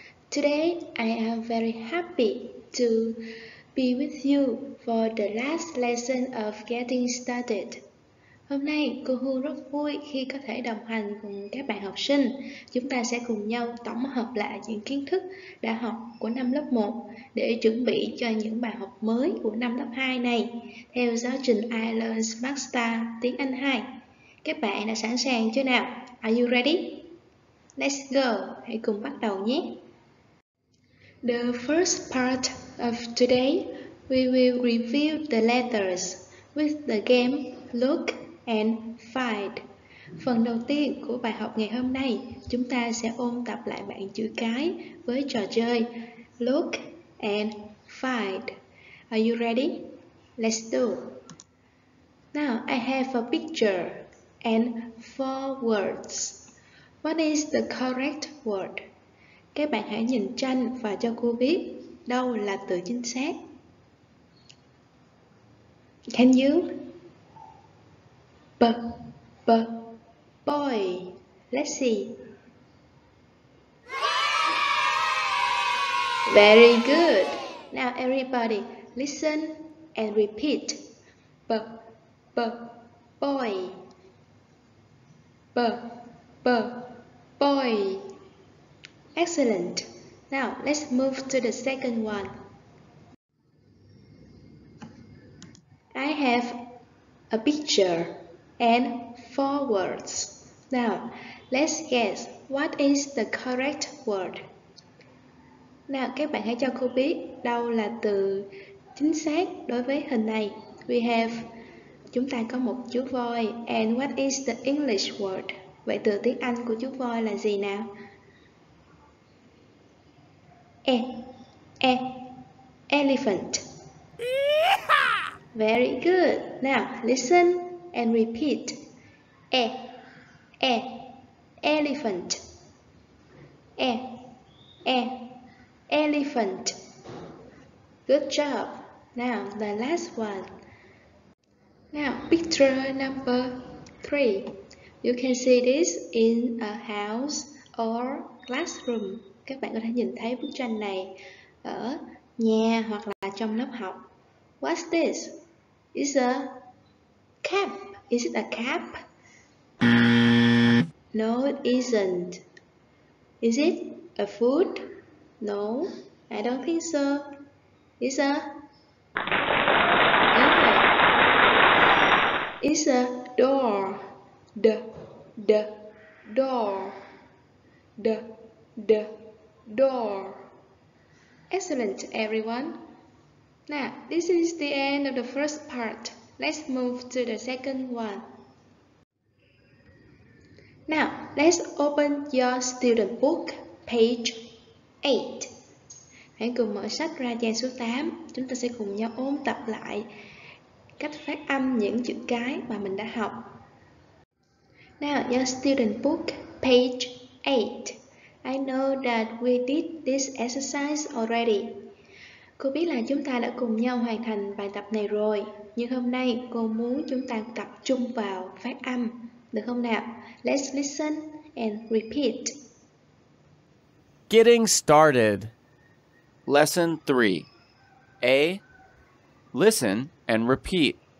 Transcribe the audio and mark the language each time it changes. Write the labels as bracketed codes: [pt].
[en] Today, I am very happy to be with you for the last lesson of Getting Started. [vi] Hôm nay, cô Hương rất vui khi có thể đồng hành cùng các bạn học sinh. Chúng ta sẽ cùng nhau tổng hợp lại những kiến thức đã học của năm lớp 1 để chuẩn bị cho những bài học mới của năm lớp 2 này theo giáo trình iLearn Smartstar tiếng Anh 2. Các bạn đã sẵn sàng chưa nào? [en] Are you ready? Let's go! [vi] Hãy cùng bắt đầu nhé! [en] The first part of today, we will review the letters with the game Look and find. [vi] Phần đầu tiên của bài học ngày hôm nay, chúng ta sẽ ôn tập lại bảng chữ cái với trò chơi Look and find. [en] Are you ready? Let's do. Now, I have a picture and four words. What is the correct word? [vi] Các bạn hãy nhìn tranh và cho cô biết đâu là từ chính xác. [en] Can you? B, b, boy. Let's see. Very good. Now everybody, listen and repeat. B, b, boy. B, b, boy. Excellent. Now let's move to the second one. I have a picture and four words. Now, let's guess what is the correct word. [vi] Now, các bạn hãy cho cô biết đâu là từ chính xác đối với hình này. [en] We have, [vi] chúng ta có một chú voi. [en] And what is the English word? [vi] Vậy từ tiếng Anh của chú voi là gì nào? [en] E, e, elephant. Very good. Now, listen and repeat. E, e, elephant. E, e, elephant. Good job. Now, the last one. Now, picture number three. You can see this in a house or classroom. [vi] Các bạn có thể nhìn thấy bức tranh này ở nhà hoặc là trong lớp học. [en] What's this? It's a cap. Is it a cap? No, it isn't. Is it a food? No, I don't think so. It's a... It's a door. D, d, door. D, d, door. Excellent, everyone. Now, this is the end of the first part. Let's move to the second one. Now, let's open your student book, page 8. [vi] Hãy cùng mở sách ra trang số 8. Chúng ta sẽ cùng nhau ôn tập lại cách phát âm những chữ cái mà mình đã học. [en] Now, your student book, page 8. I know that we did this exercise already. [vi] Cô biết là chúng ta đã cùng nhau hoàn thành bài tập này rồi. Nhưng hôm nay cô muốn chúng ta tập trung vào phát âm, được không nào? [en] Let's listen and repeat. Getting started. Lesson 3. A. Listen and repeat.